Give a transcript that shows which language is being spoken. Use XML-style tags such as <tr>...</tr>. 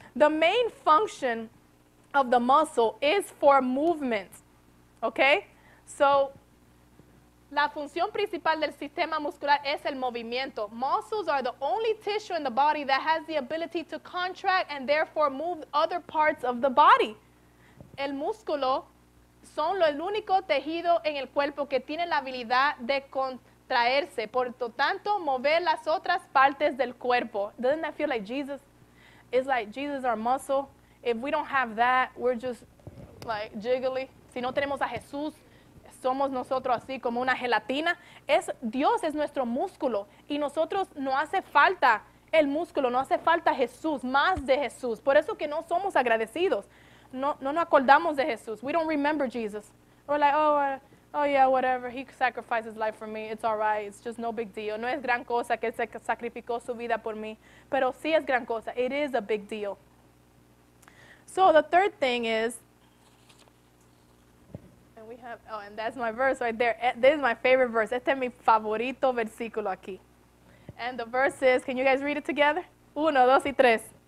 <en>The main function of the muscle is for movement, okay?</en> <es>So, la función principal del sistema muscular es el movimiento.</es> <en>Muscles are the only tissue in the body that has the ability to contract and therefore move other parts of the body.</en> <es>El músculo son el único tejido en el cuerpo que tiene la habilidad de contraerse. Por lo tanto, mover las otras partes del cuerpo.</es> <en>Doesn't that feel like Jesus? It's like Jesus our muscle. If we don't have that, we're just like jiggly.</en> <es>Si no tenemos a Jesús, somos nosotros así como una gelatina. Dios es nuestro músculo. Y nosotros no hace falta el músculo. No hace falta Jesús, más de Jesús. Por eso que no somos agradecidos. No nos acordamos de Jesús.</es> <en>We don't remember Jesus. We're like, oh yeah, whatever. He sacrificed his life for me. It's all right. It's just no big deal.</en> <es>No es gran cosa que él se sacrificó su vida por mí. Pero sí es gran cosa.</es> <en>It is a big deal. So the third thing is, and that's my verse right there. This is my favorite verse.</en> <es>Este es mi favorito versículo aquí.</es> <en>And the verse is, can you guys read it together?</en> <es>Uno, dos y tres.</es>